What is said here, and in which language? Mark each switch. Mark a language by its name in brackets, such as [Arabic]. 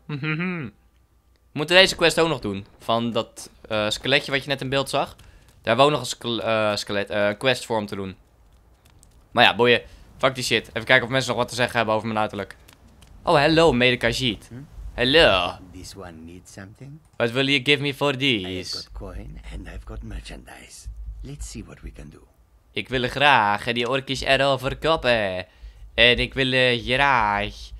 [Dutch] We moeten deze quest ook nog doen. Van dat skeletje wat je net in beeld zag. Daar hebben we ook nog een quest voor om te doen. Maar ja, boeien. Fuck die shit. Even kijken of mensen nog wat te zeggen hebben over mijn uiterlijk. [English] Oh, hello, [Dutch] Mede Khajiit. [English] Hello. This one needs something? What will you give me for these? I've got coin and I've got merchandise. Let's see what we can do. [Dutch] Ik wil graag die orkjes erover verkopen. En ik wil graag...